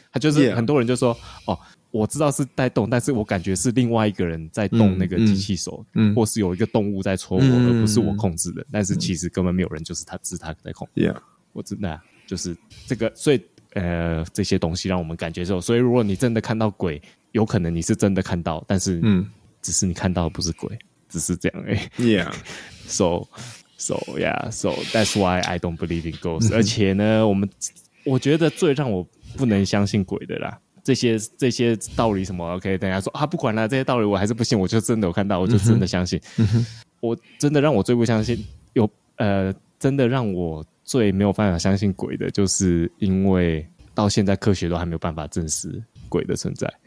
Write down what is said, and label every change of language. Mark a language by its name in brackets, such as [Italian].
[Chinese] 它就是很多人就说， yeah. 我知道是在动，但是我感觉是另外一个人在动那个机器手，或是有一个动物在戳我，而不是我控制的。但是其实根本没有人，就是他在控制。 [English] Yeah, [Chinese] 我真的就是这个，所以。这些东西让我们感觉受所以如果你真的看到鬼有可能你是真的看到但是只是你看到的不是鬼只是这样 [English] Yeah. So yeah, so that's why I don't believe in ghosts. [Chinese] 而且呢我觉得最让我不能相信鬼的啦这些道理什么 OK, 等一下说不管啦这些道理我还是不信我就真的有看到我就真的相信。我真的让我最不相信有真的让我最没有办法相信鬼的就是因为到现在科学都还没有办法证实鬼的存在